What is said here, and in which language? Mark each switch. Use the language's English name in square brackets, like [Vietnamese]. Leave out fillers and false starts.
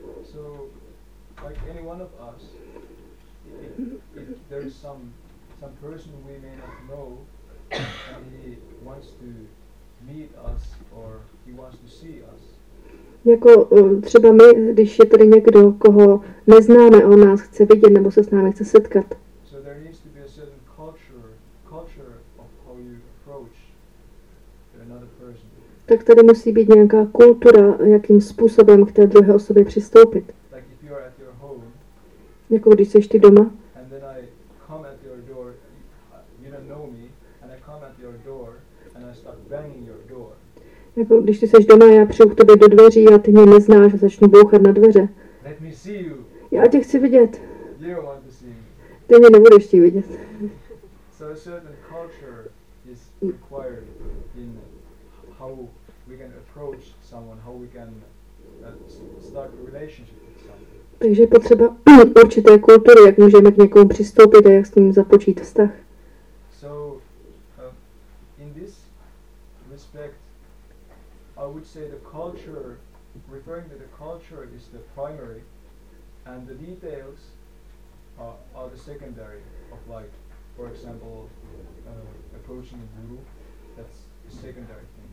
[English] So, like any one of us, if there is some person we may not know, and he wants to meet us or he wants to see us. [Czech] Jako třeba my, když je tady někdo, koho neznáme, on nás chce vidět nebo se s námi chce setkat. [English] So there needs to be a certain culture of how you approach another person. [Czech] Tak tady musí být nějaká kultura, jakým způsobem k té druhé osobě přistoupit. [English] Like if you are at your home, [Czech] jako když jsi ty doma. [English] And then I come at your door, you don't know me, and I come at your door and I start banging your door. [Czech] Jako když ty jsi doma, já přijdu k tobě do dveří a ty mě neznáš a začnu bouchat na dveře. [English] Let me see you. [Czech] Já tě chci vidět. [English] You don't want to see me. [Czech] Ty mě nebudeš tě vidět. [English] So a certain culture is required in how we can approach someone, how we can start a relationship with someone. [Czech] Takže je potřeba určité kultury, jak můžeme k někomu přistoupit a jak s ním započít vztah. [English] So, in this respect, I would say the culture, referring to the culture, is the primary, and the details are the secondary of light. For example, approaching a guru, that's the secondary.